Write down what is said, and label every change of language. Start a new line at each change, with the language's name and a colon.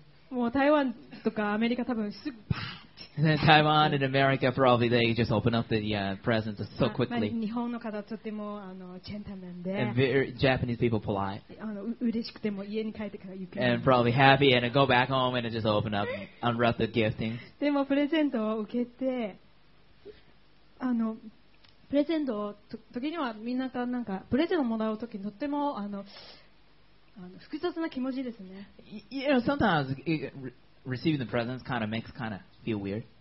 Japanese: もう台湾とかアメリカ多分すぐパー。
English: Then Taiwan and America probably they just open up the presents so quickly.
Japanese: 日本の方とってもあのジェントルマンで、
English: Japanese people polite.
Japanese: あの嬉しくても家に帰ってからゆっくり。
English: And probably happy and go back home and just open up, unwrap the gifting.
Japanese: でもプレゼントを受けて、あのプレゼントを時にはみんなからなんかプレゼントをもらう時にとってもあの複雑な気持ちですね。
English: You know, sometimes receiving the presents kind of makes kind of feel weird.